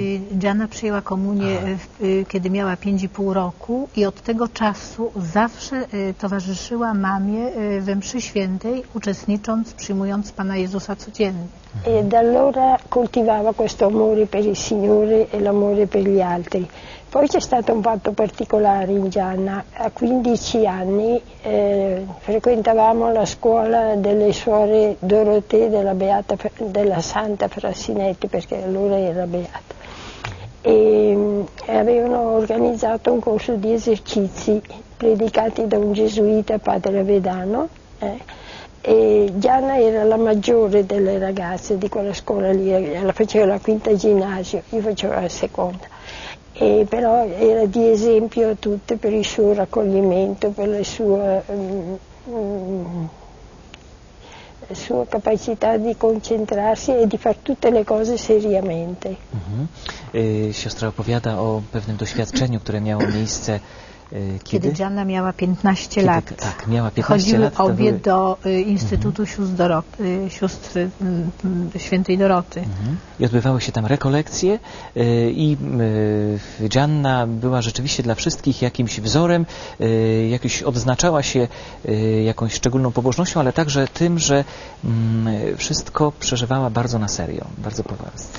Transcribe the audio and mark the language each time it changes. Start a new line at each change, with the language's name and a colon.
Polish: Gianna przyjęła komunię, kiedy miała 5,5 roku i od tego czasu zawsze towarzyszyła mamie we mszy świętej, uczestnicząc, przyjmując Pana Jezusa codziennie.
Italian: E da allora coltivava questo amore per il Signore e l'amore per gli altri. Poi c'è stato un fatto particolare in Gianna. A 15 anni frequentavamo la scuola delle suore Dorotee della Santa Frassinetti, perché allora era beata, e avevano organizzato un corso di esercizi predicati da un gesuita, padre Avedano. E Gianna era la maggiore delle ragazze di quella scuola lì, la faceva la 5ª ginnasio, io facevo la 2ª. E però era di esempio a tutte per il suo raccoglimento, per la sua capacità di concentrarsi e di far tutte le cose seriamente.
Polish: Siostra opowiada o pewnym doświadczeniu, które miało miejsce kiedy Gianna miała 15 lat. Tak, miała 15 chodziły lat. Chodziły obie do Instytutu Sióstr Świętej Doroty. I odbywały się tam rekolekcje i Gianna była rzeczywiście dla wszystkich jakimś wzorem, jakoś odznaczała się jakąś szczególną pobożnością, ale także tym, że wszystko przeżywała bardzo na serio, bardzo poważnie.